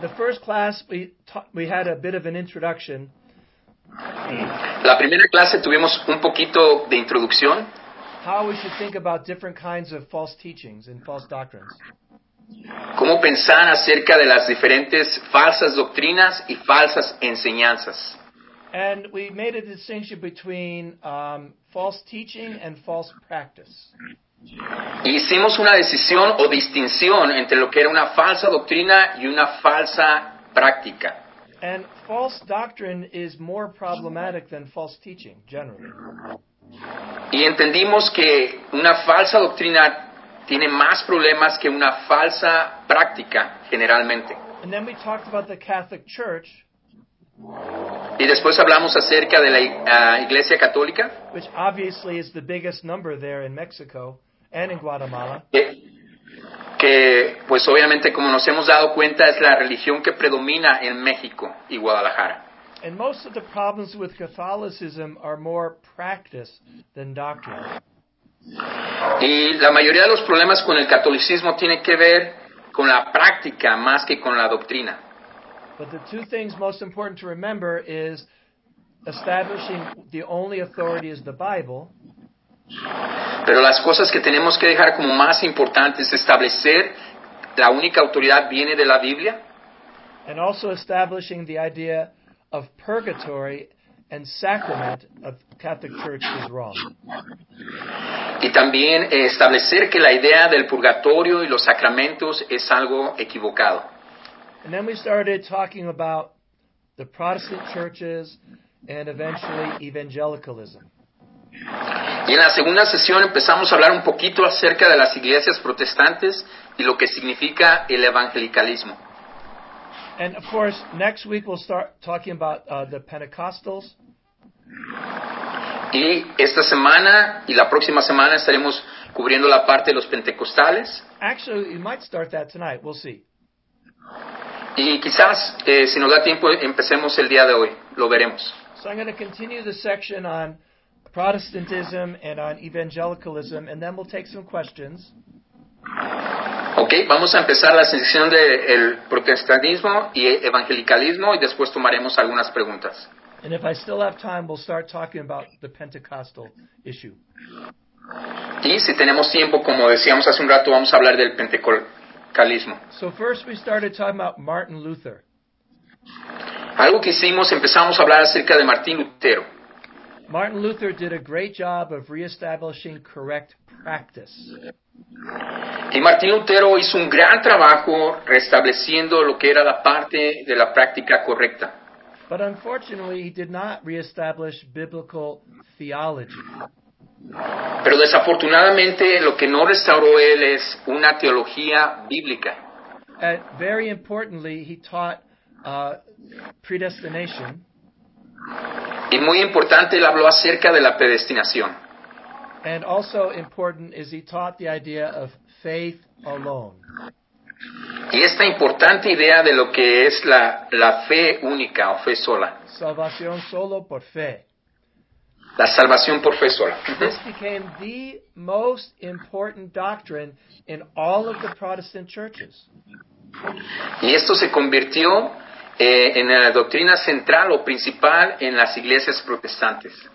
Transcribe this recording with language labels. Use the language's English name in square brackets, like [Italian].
[English] The first class we had a bit of an introduction. [Spanish] La primera clase tuvimos un poquito de introducción. [English] How we should think about different kinds of false teachings and false doctrines. [Spanish] Cómo pensar acerca de las diferentes falsas doctrinas y falsas enseñanzas. [English] And we made a distinction between false teaching and false practice. [Spanish] Hicimos una decisión o distinción entre lo que era una falsa doctrina y una falsa práctica. [English] And false doctrine is more problematic than false teaching, generally. [Spanish] Y entendimos que una falsa doctrina tiene más problemas que una falsa práctica, generalmente. [English] And then we talked about the Catholic Church. [Spanish] Y después hablamos acerca de la Iglesia Católica. [English] Which obviously is the biggest number there in Mexico and in Guatemala. [Spanish] Que pues obviamente, como nos hemos dado cuenta, es la religión que predomina en México y Guadalajara. [English] And most of the problems with Catholicism are more practice than doctrine. [Spanish] Y la mayoría de los problemas con el catolicismo tiene que ver con la práctica más que con la doctrina. [English] But the two things most important to remember is establishing the only authority is the Bible. [Spanish] Pero las cosas que tenemos que dejar como más importantes es establecer la única autoridad viene de la Biblia. [English] And also establishing the idea of purgatory and sacrament of Catholic Church is wrong. [Spanish] Y también establecer que la idea del purgatorio y los sacramentos es algo equivocado. [English] And then we started talking about the Protestant churches and eventually evangelicalism. [Spanish] Y en la segunda sesión empezamos a hablar un poquito acerca de las iglesias protestantes y lo que significa el evangelicalismo. [English] And of course, next week we'll start talking about the Pentecostals. [Spanish] Y esta semana y la próxima semana estaremos cubriendo la parte de los pentecostales. [English] Actually, we might start that tonight. We'll see. [Spanish] Y quizás, si nos da tiempo, empecemos el día de hoy. Lo veremos. [English] So I'm going to continue the section on Protestantism and on evangelicalism, and then we'll take some questions. [Spanish] Okay, vamos a empezar la sección del protestantismo y evangelicalismo, y después tomaremos algunas preguntas. [English] And if I still have time, we'll start talking about the Pentecostal issue. [Spanish] Y si tenemos tiempo, como decíamos hace un rato, vamos a hablar del pentecostalismo. [English] So first we started talking about Martin Luther. [Spanish] Algo que hicimos, empezamos a hablar acerca de Martín Lutero. [English] Martin Luther did a great job of reestablishing correct practice. [Spanish] Y Martín Lutero hizo un gran trabajo restableciendo lo que era la parte de la práctica correcta. [English] But unfortunately, he did not reestablish biblical theology. [Spanish] Pero desafortunadamente lo que no restauró él es una teología bíblica. [English] And very importantly, he taught predestination. [Spanish] Y muy importante, él habló acerca de la predestinación. [English] And also important is he taught the idea of faith alone. [Spanish] Y esta importante idea de lo que es la fe única o fe sola. Salvación solo por fe. La salvación por fe sola. [English] This became the most important doctrine in all of the Protestant churches. [Spanish] Y esto se convirtió en la doctrina central o principal en las iglesias protestantes.